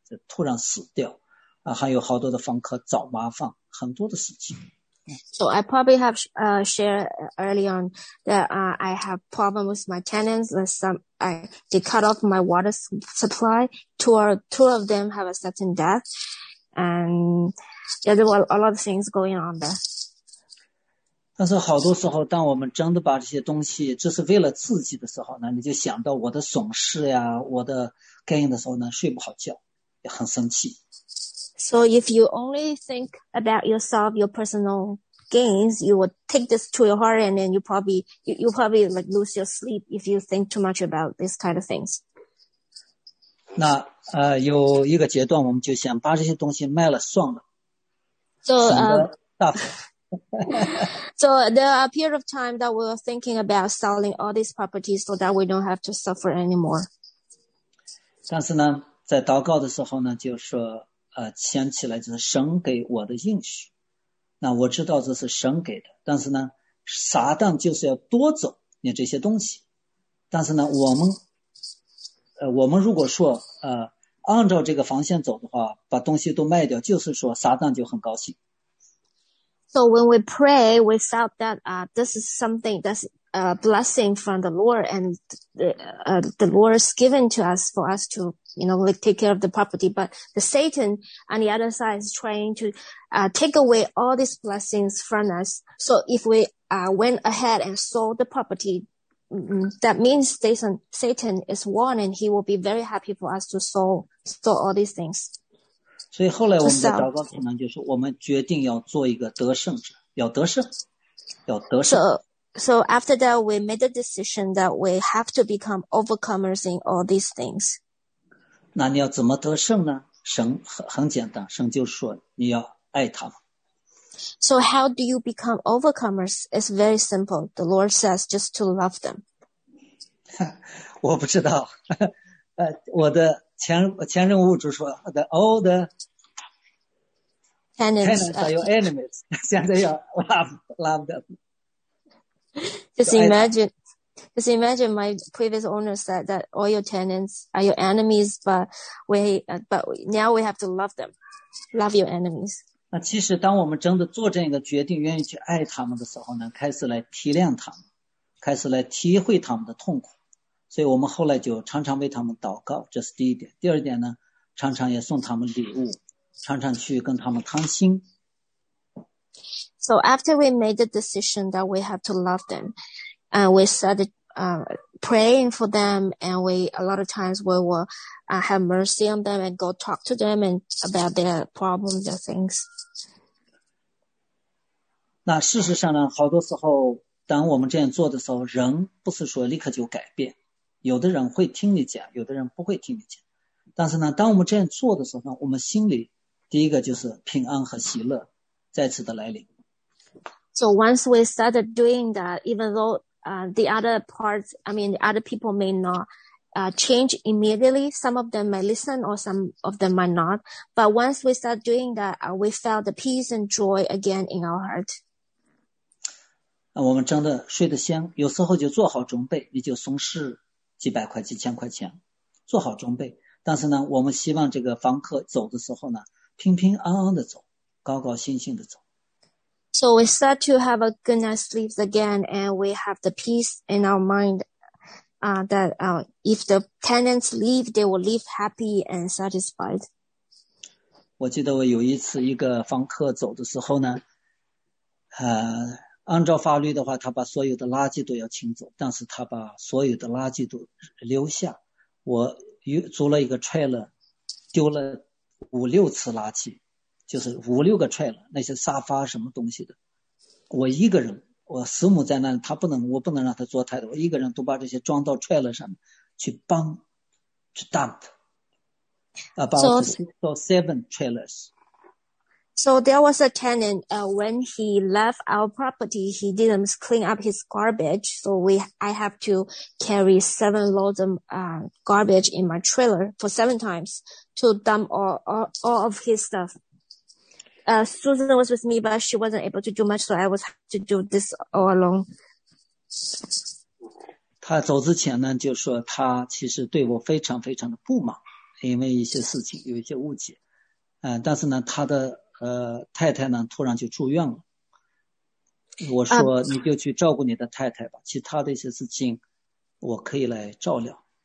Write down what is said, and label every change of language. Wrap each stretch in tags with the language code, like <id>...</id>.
<zh>突然死掉，还有好多的房客找麻烦，很多的事情。</zh> <en>So I probably have shared early on that I have problem with my tenants. They cut off my water supply. Two of them have a certain death, and yeah, there were a lot of things going on there.</en> <zh>但是好多时候，当我们真的把这些东西，这是为了自己的时候呢，你就想到我的损失呀，我的 gain 的时候呢，睡不好觉。很生气。</zh> <en>So if you only think about yourself, your personal gains, you would take this to your heart, and then you probably like lose your sleep if you think too much about these kind of things.</en> <zh>那有一个阶段，我们就想把这些东西卖了算了。</zh> <en>So so there are a period of time that we were thinking about selling all these properties so that we don't have to suffer anymore.</en> <zh>但是呢。在祷告的时候呢，就说想起来就是神给我的应许，那我知道这是神给的，但是呢撒旦就是要夺走你这些东西，但是呢我们如果说按照这个方向走的话，把东西都卖掉，就是说撒旦就很高兴。</zh> <en>So when we pray, we felt that this is something that'sA blessing from the Lord, and the Lord is given to us for us to, you know, like take care of the property. But the Satan on the other side is trying to take away all these blessings from us. So if we went ahead and sold the property, that means Satan is won, and he will be very happy for us to sell all these things.</en> <zh>所以后来我们的祷告可能就是我们决定要做一个得胜者，要得胜，要得胜。</zh> <en>So after that, we made the decision that we have to become overcomers in all these things.</en> <zh>那你要怎么得胜呢？神很简单，神就说你要爱他们。</zh> <en>So how do you become overcomers? It's very simple. The Lord says just to love them.</en> <zh>我不知道。我的前任物主说</zh> <en>the old tenants are your enemies.</en> <zh>现在要</zh> <en>love them. Just imagine my previous owner said that all your tenants are your enemies, but now we have to love them. Love your enemies.</en> <zh>那其实当我们真的做这样一个决定，愿意去爱他们的时候呢，开始来体谅他们，开始来体会他们的痛苦。所以我们后来就常常为他们祷告，这是第一点。第二点呢，常常也送他们礼物，常常去跟他们谈心。</zh> <en>So after we made the decision that we have to love them, and we started praying for them, and we a lot of times we will have mercy on them and go talk to them and about their problems and things.</en> <zh>那事实上呢，好多时候当我们这样做的时候，人不是说立刻就改变，有的人会听你讲，有的人不会听你讲。但是呢，当我们这样做的时候呢，我们心里第一个就是平安和喜乐再次的来临。</zh> <en>So once we started doing that, even though the other parts, I mean, the other people may not change immediately, some of them might listen or some of them might not. But once we start doing that, we felt the peace and joy again in our heart.</en> <zh>我们真的睡得香，有时候就做好准备，你就损失几百块、几千块钱，做好准备。但是呢，我们希望这个房客走的时候呢，平平安安的走，高高兴兴的走。</zh> <en>So we start to have a good night's sleep again, and we have the peace in our mind that if the tenants leave, they will leave happy and satisfied.</en> <zh>我记得我有一次一个房客走的时候呢，按照法律的话，他把所有的垃圾都要清走，但是他把所有的垃圾都留下。我租了一个 trailer， 丢了五六次垃圾。就是五六个 trailer， 那些沙发什么东西的，我一个人，我师母在那里，我不能让他做太多，我一个人都把这些装到 trailer 上面去帮去</zh> <en>dump about seven trailers. So there was a tenant. When he left our property, he didn't clean up his garbage. So I have to carry seven loads of garbage in my trailer for seven times to dump all of his stuff. Susan was with me, but she wasn't able to do much, so I was to do this all alone.</en> <zh>他走之前呢，就说他其实对我非常非常的不满，因为一些事情有一些误解。但是呢，他的太太呢，突然就住院了。我说你就去照顾你的太太吧，其他的一些事情我可以来照料。</zh>